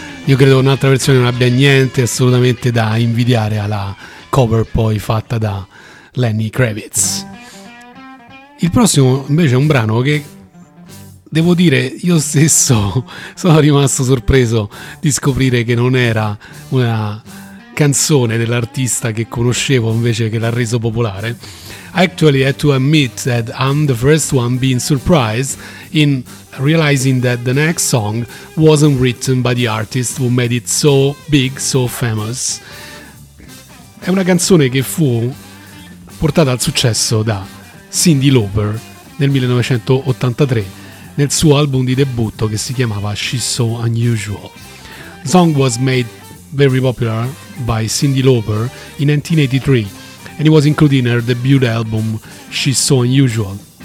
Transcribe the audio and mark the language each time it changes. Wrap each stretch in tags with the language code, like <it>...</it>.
<it>Io credo un'altra versione non abbia niente assolutamente da invidiare alla cover poi fatta da Lenny Kravitz. Il prossimo invece è un brano che devo dire io stesso sono rimasto sorpreso di scoprire che non era una canzone dell'artista che conoscevo invece che l'ha reso popolare.</it> <en>Actually, I have to admit that I'm the first one being surprised in realizing that the next song wasn't written by the artist who made it so big, so famous.</en> <it>È una canzone che fu portata al successo da Cyndi Lauper nel 1983 nel suo album di debutto che si chiamava She's So Unusual.</it> <en>The song was made very popular by Cyndi Lauper in 1983 and it was included in her debut album She's So Unusual.</en>